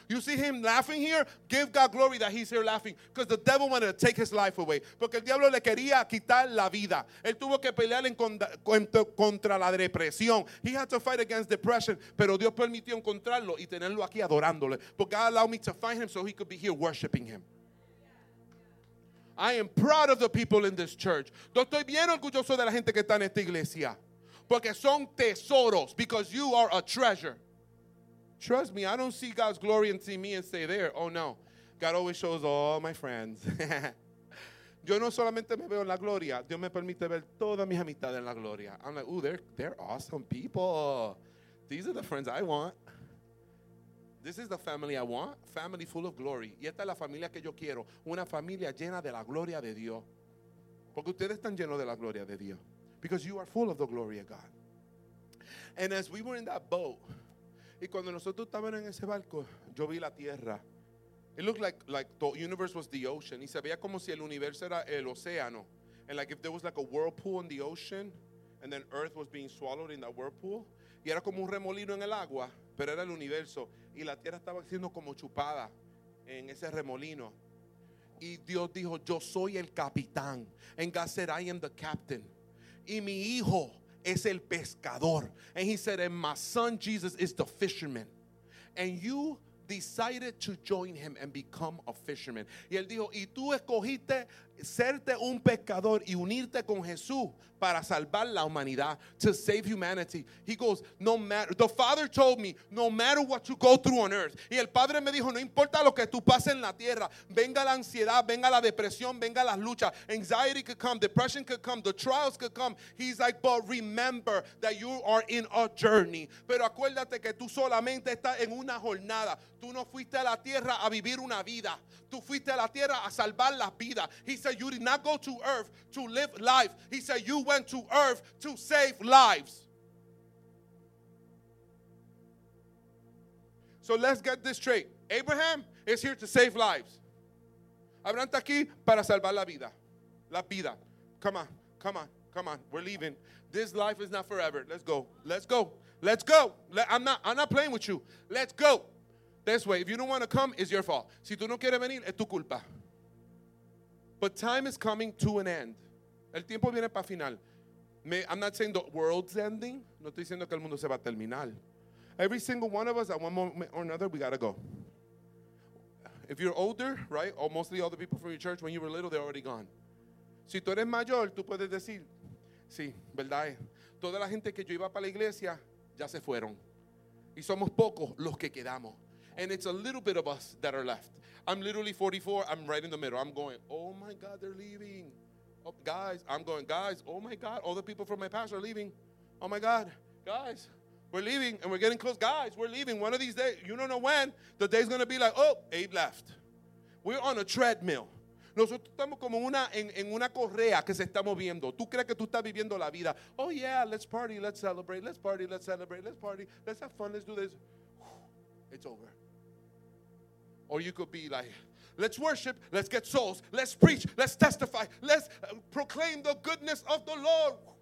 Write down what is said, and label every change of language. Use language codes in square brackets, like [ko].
[en] You see him laughing here? Give God glory that he's here laughing. Because the devil wanted to take his life away. [es] Porque el diablo le quería quitar la vida. Él tuvo que pelear contra la depresión. [en] He had to fight against depression. [es] Pero Dios permitió encontrarlo y tenerlo aquí adorándole. [en] But God allowed me to find him so he could be here worshiping him. I am proud of the people in this church. [es] Yo estoy bien orgulloso de la gente que está en esta iglesia. Porque son tesoros. [en] Because you are a treasure. Trust me, I don't see God's glory and see me and stay there. Oh, no. God always shows all my friends. [es] Yo no solamente me veo en la gloria. Dios me permite ver todas mis amistades en la gloria. [en] I'm like, ooh, they're awesome people. These are the friends I want. This is the family I want. Family full of glory. [es] Y esta es la familia que yo quiero. Una familia llena de la gloria de Dios. Porque ustedes están llenos de la gloria de Dios. [en] Because you are full of the glory of God. And as we were in that boat... [es] Y cuando nosotros estábamos en ese barco, yo vi la tierra. [en] It looked like the universe was the ocean. [es] Y se veía como si el universo era el océano. [en] And like if there was like a whirlpool in the ocean, and then earth was being swallowed in that whirlpool. [es] Y era como un remolino en el agua, pero era el universo. Y la tierra estaba siendo como chupada en ese remolino. Y Dios dijo, yo soy el capitán. [en] And God said, I am the captain. [es] Y mi hijo... es el pescador. [en] And he said, and my son Jesus is the fisherman. And you decided to join him and become a fisherman. [es] Y él dijo, y tú escogiste serte un pescador y unirte con Jesús para salvar la humanidad, [en] to save humanity. He goes, no matter, the father told me, no matter what you go through on earth. [es] Y el padre me dijo, no importa lo que tú pases en la tierra, venga la ansiedad, venga la depresión, venga las luchas. [en] Anxiety could come, depression could come, the trials could come. He's like, but remember that you are in a journey. [es] Pero acuérdate que tú solamente estás en una jornada. Tú no fuiste a la tierra a vivir una vida. Tú fuiste a la tierra a salvar las vidas. [en] He said, you did not go to earth to live life. He said, you went to earth to save lives. So let's get this straight. Abraham is here to save lives. [es] Abraham está aquí para salvar la vida. La vida. [en] Come on, come on, come on. We're leaving. This life is not forever. Let's go. Let's go. Let's go. I'm not playing with you. Let's go. This way, if you don't want to come, it's your fault. [es] Si tú no quieres venir, es tu culpa. [en] But time is coming to an end. [es] El tiempo viene para final. [en] I'm not saying the world's ending. [es] No estoy diciendo que el mundo se va a terminar. [en] Every single one of us, at one moment or another, we got to go. If you're older, right, or mostly all the people from your church, when you were little, they're already gone. [es] Si tú eres mayor, tú puedes decir, sí, verdad es. Toda la gente que yo iba para la iglesia, ya se fueron. Y somos pocos los que quedamos. [en] And it's a little bit of us that are left. I'm literally 44. I'm right in the middle. I'm going, oh, my God, they're leaving. Oh, guys, I'm going, guys, oh, my God. All the people from my past are leaving. Oh, my God. Guys, we're leaving, and we're getting close. Guys, we're leaving. One of these days, you don't know when, the day's going to be like, oh, Abe left. We're on a treadmill. [es] Nosotros estamos como en una correa que se está moviendo. Tú crees que tú estás viviendo la vida. [en] Oh, yeah, let's party, let's celebrate. Let's party, let's celebrate. Let's party, let's have fun, let's do this. It's over. Or you could be like, let's worship, let's get souls, let's preach, let's testify, let's proclaim the goodness of the Lord.